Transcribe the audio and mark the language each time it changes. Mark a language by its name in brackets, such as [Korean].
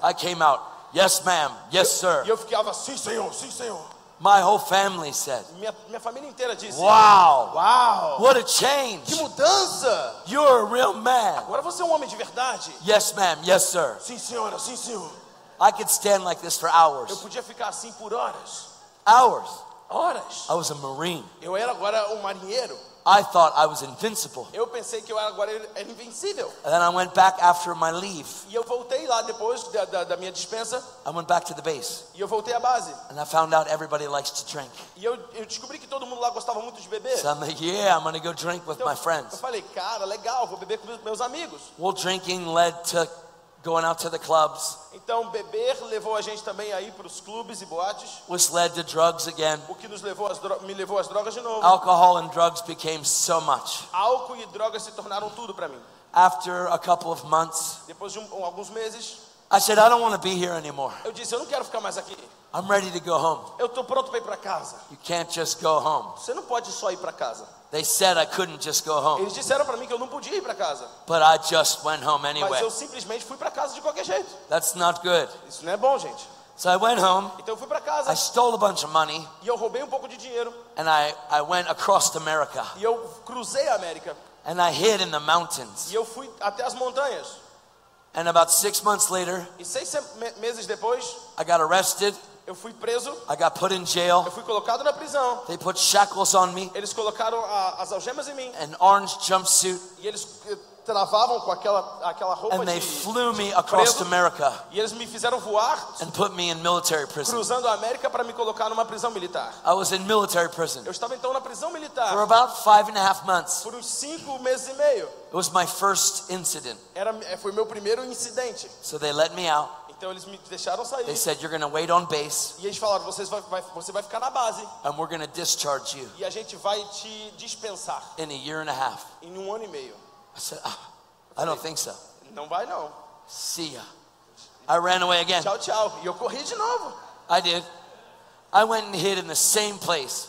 [English] I came out, yes ma'am, yes sir. [Portuguese] E eu ficava, sim senhor, sim senhor. [English] My whole family said, [Portuguese] minha família inteira disse, [English] wow, wow, what a change. [Portuguese] Que mudança. [English] You're a real man. [Portuguese] Agora você é um homem de verdade. [English] Yes, ma'am. Yes, sir. [Portuguese] Sim, senhora. Sim, senhor. [English] I could stand like this for hours. [Portuguese] Eu podia ficar assim por horas. [English] Hours. [Portuguese] Horas. [English] I was a Marine. [Portuguese] Eu era agora um marinheiro. [English] I thought I was invincible. [Portuguese] Eu pensei que eu agora era invencível. [English] And then I went back after my leave. [Portuguese] E eu voltei lá depois da minha dispensa. [English] I went back to the base. [Portuguese] E eu voltei à base. [English] And I found out everybody likes to drink. [Portuguese] E eu descobri que todo mundo lá gostava muito de beber. [English] So I'm like, yeah, I'm gonna go drink with [Portuguese] então, [English] my friends. [Portuguese] Eu falei, cara, legal, vou beber com meus amigos. [English] Well, drinking led to going out to the clubs. [Portuguese] Então beber levou a gente também aí para os clubes e boates. [English] Which led to drugs again. [Portuguese] O que me levou às drogas de novo. [English] Alcohol and drugs became so much. [Portuguese] Álcool e drogas se tornaram tudo para mim. [English] After a couple of months. [Portuguese] Depois de alguns meses. [English] I said I don't want to be here anymore. [Portuguese] Eu disse eu não quero ficar mais aqui. [English] I'm ready to go home. [Portuguese] Eu tô pronto para ir para casa. [English] You can't just go home. [Portuguese] Você não pode só ir para casa. [English] They said I couldn't just go home. [Portuguese] Eles disseram para mim que eu não podia ir para casa. [English] But I just went home anyway. [Portuguese] Mas eu simplesmente fui para casa de qualquer jeito. [English] That's not good. [Portuguese] Isso não é bom, gente. [English] So I went home. [Portuguese] Então eu fui para casa. [English] I stole a bunch of money. [Portuguese] E eu roubei um pouco de dinheiro. [English] And I went across America. [Portuguese] E eu cruzei a América. [English] And I hid in the mountains. [Portuguese] E eu fui até as montanhas. [English] And about 6 months later, [Portuguese] e seis meses depois, [English] I got arrested. [Portuguese] Eu fui preso. [English] I got put in jail. [Portuguese] Eu fui colocado na prisão. [English] They put shackles on me. [Portuguese] Eles colocaram as algemas em mim. [English] An orange jumpsuit. [Portuguese] E eles travavam com aquela roupa de preso. [English] And they flew me across America. [Portuguese] E eles me fizeram voar. [English] And put me in military prison. [Portuguese] Cruzando a América para me colocar numa prisão militar. [English] I was in military prison. [Portuguese] Eu estava então na prisão militar. [English] For about 5.5 months. [Portuguese] Por uns 5 meses e meio. [English] It was my first incident. [Portuguese] Foi meu primeiro incidente. [English] So they let me out. [Portuguese] Então eles me deixaram sair. [English] They said you're going to wait on base. [Portuguese] E eles falaram, você vai ficar na base. [English] And we're going to discharge you. [Portuguese] E a gente vai te dispensar. [English] In a year and a half. [Portuguese] Em um ano e meio. [English] I said, I don't think so. [Portuguese] Não vai não. [English] See ya. I ran away again. [Portuguese] Tchau, tchau. E eu corri de novo. [English] I did. I went and hid in the same place.